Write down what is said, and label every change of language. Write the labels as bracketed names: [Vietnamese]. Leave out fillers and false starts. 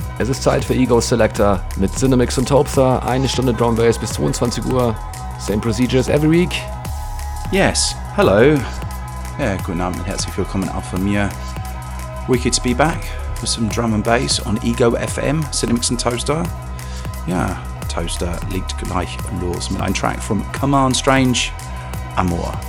[German] Es ist Zeit für Ego Selector mit Cinemix und Topser. Eine Stunde Drum Bass bis 22 Uhr. [English] Same procedures every week. Yes, hello. [German] Yeah, guten Abend, herzlich willkommen auch von mir. [English] Wicked to be back with some drum and bass on Ego FM, Cinemix and Toaster. [German] Yeah, Toaster liegt gleich los mit einem Track from Command Strange, Amor.